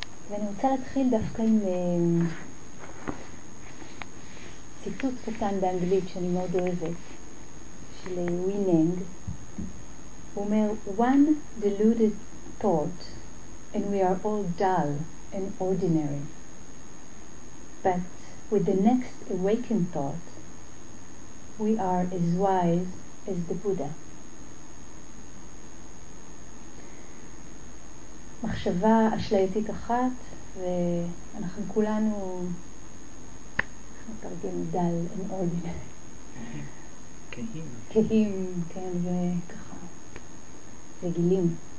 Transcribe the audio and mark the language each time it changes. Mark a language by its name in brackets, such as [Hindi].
[Hebrew] ואני רוצה להתחיל דווקא עם ציטוט קטן באנגלית שאני מאוד אוהבת, של ווינינג. הוא אומר, [English] "One deluded thought and we are all dull and ordinary. But with the next awakened thought, we are as wise as the Buddha." [Hebrew] מחשבה אשלייתית אחת, ואנחנו כולנו נתרגם דל [English] and ordinary. [Hebrew] כהים. כהים, כן, וככה רגילים.